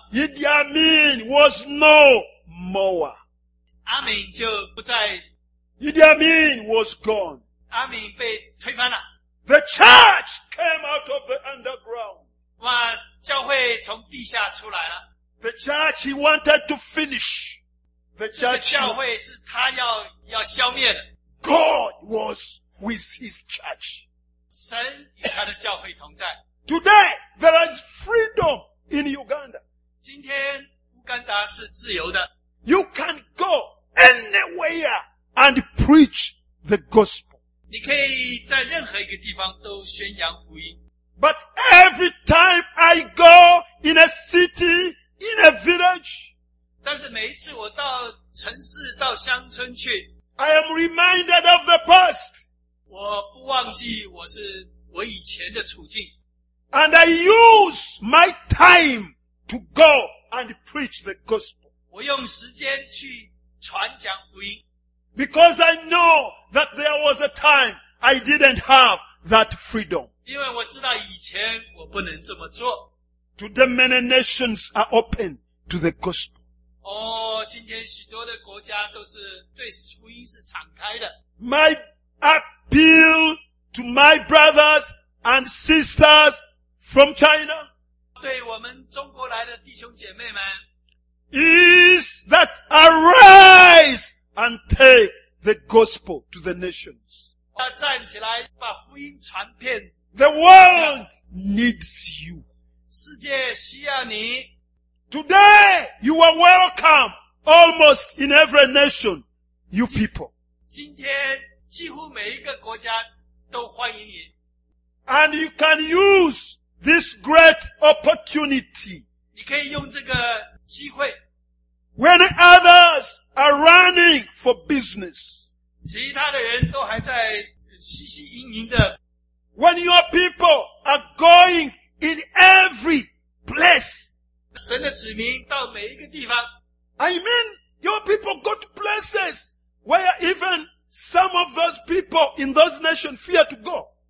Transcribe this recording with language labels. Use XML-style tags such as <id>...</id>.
<en>Idi Amin was no more.</en> <zh>阿明就不在,</zh> <en>Idi Amin was gone.</en> <zh>阿明被推翻了,</zh> <en>the church came out of the underground.</en> <zh>哇,教会从地下出来了,</zh> <en>the church he wanted to finish. The church,</en> <zh>这个教会是他要消灭的,</zh> <en>God was with his church.</en> <zh>神与他的教会同在。</zh> <en>Today, there is freedom in Uganda.</en> <zh>今天,乌干达是自由的。</zh> <en>You can go anywhere and preach the gospel.</en> <zh>你可以在任何一个地方都宣扬福音。</zh> <en>But every time I go in a city, in a village,</en> <zh>但是每一次我到城市,到乡村去,</zh> <en>I am reminded of the past.</en> <zh>我不忘记我以前的处境。</zh> <en>And I use my time to go and preach the gospel.</en> <zh>我用时间去传讲福音。</zh> <en>Because I know that there was a time I didn't have that freedom.</en> <zh>因为我知道以前我不能这么做。</zh> <en>Today many nations are open to the gospel.</en> <zh>今天许多的国家都是对福音是敞开的。</zh> <en>My appeal to my brothers and sisters from China,</en> <zh>对我们中国来的弟兄姐妹们,</zh> <en>is that arise and take the gospel to the nations.</en> <zh>站起来把福音传遍,</zh> <en>the world needs you.</en> <zh>世界需要你,</zh> <en>Today, you are welcome almost in every nation, you people.</en> <zh>今天几乎每一个国家都欢迎你。</zh> <en>And you can use this great opportunity.</en> <zh>你可以用这个机会。</zh> <en>When others are running for business.</en> <zh>其他的人都还在嘻嘻盈盈的。</zh> <en>When your people are going in every place.</en> <zh>神的子民到每一个地方。</zh> <en>I mean, your people go to places where even some of those people in those nations fear to go.</en>